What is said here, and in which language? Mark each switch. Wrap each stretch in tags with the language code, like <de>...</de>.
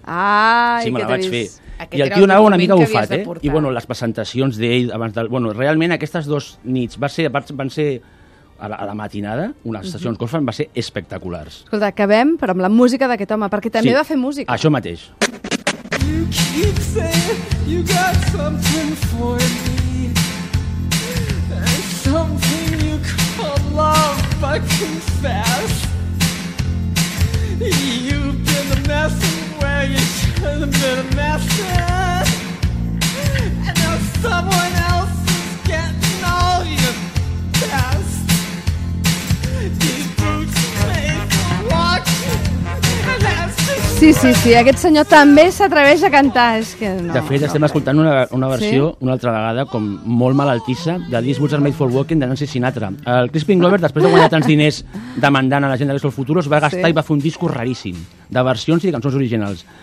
<ca>Ai, sí, me la vaig fer. Aquest i el tio anava una mica bufat, I bueno, les presentacions d'ell abans de, bueno, realment aquestes dues nits van ser a la matinada, unes sessions que van ser espectaculars. Escolta, acabem, però amb la música d'aquest home, perquè també va fer música. Això mateix.</ca> <en>You keep saying you got something for me, and something you call love, but confess. You've been a mess where you should have been a mess. And now someone else is getting all your best. These boots pay for watching, and that's just what.</en> <ca>Sí, sí, sí, aquest senyor també s'atreveix a cantar. És que no, de fet, no, estem escoltant una versió, sí? Una altra vegada, com molt malaltissa, de These Boots Are Made For Walking, de Nancy Sinatra. El Crispin Glover, després de guanyar tants diners demandant a la gent de l'Estor Futuro, es va gastar i va fer un disco raríssim, de versions i de cançons originals.</ca>